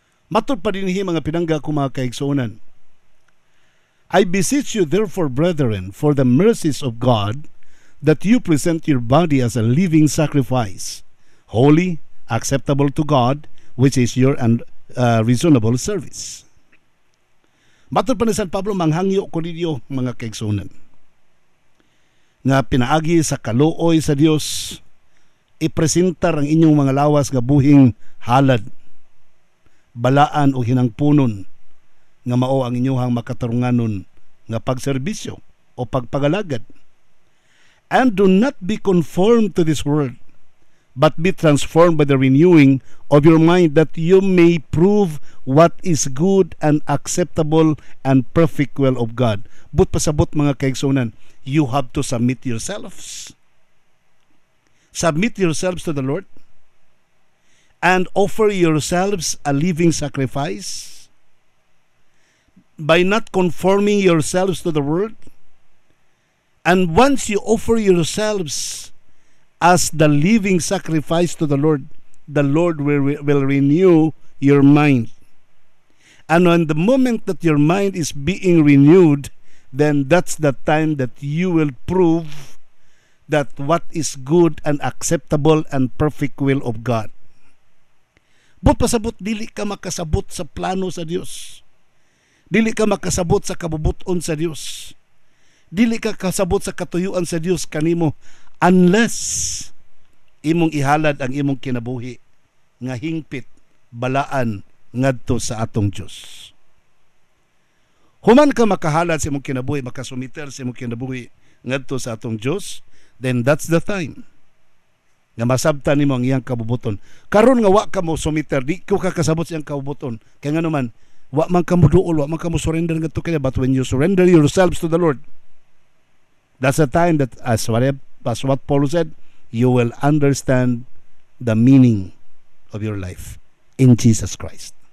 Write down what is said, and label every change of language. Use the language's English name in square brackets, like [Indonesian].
[Cebuano] Matod pa din hi, mga pinangga ko, mga kaigsoonan, [English] I beseech you therefore, brethren, for the mercies of God, that you present your body as a living sacrifice, holy, acceptable to God, which is your and reasonable service. [Cebuano] Matod pa ni San Pablo, manghangyo ko ninyo, mga kaigsoonan, nga pinaagi sa kalooy sa Dios, ipresentar ang inyong mga lawas nga buhing halad, balaan o hinangpunon nga mao ang inyuhang makatarunganon nga pagserbisyo o pagpagalagad. [English] And do not be conformed to this world, but be transformed by the renewing of your mind, that you may prove what is good and acceptable and perfect will of God. But [Cebuano] pasabot mga kaigsoonan, [English] you have to submit yourselves. submit yourselves to the Lord and offer yourselves a living sacrifice by not conforming yourselves to the world. And once you offer yourselves as the living sacrifice to the Lord will renew your mind. And on the moment that your mind is being renewed, then that's the time that you will prove that what is good and acceptable and perfect will of God. [Cebuano] But pasabot, dili ka makasabot sa plano sa Dios. Dili ka makasabot sa kabubuton sa Dios. Dili ka kasabot sa katuyuan sa Dios kanimo unless imong ihalad ang imong kinabuhi nga hingpit balaan ngadto sa atong Dios. Human ka makahalad sa imong kinabuhi, makasumiter sa imong kinabuhi ngadto sa atong Dios, [English] then that's the time [Cebuano] nga masabtan nimo ang iyang kabubuton. Karon nga wa ka mo sumiter, di ko ka kasabot sa iyang kabubuton. Kaya nga naman, wa man ka mo duol, wa man ka mo surrender ngadto kaya, [English] but when you surrender yourselves to the Lord, that's the time that, as what Paul said, you will understand the meaning of your life in Jesus Christ.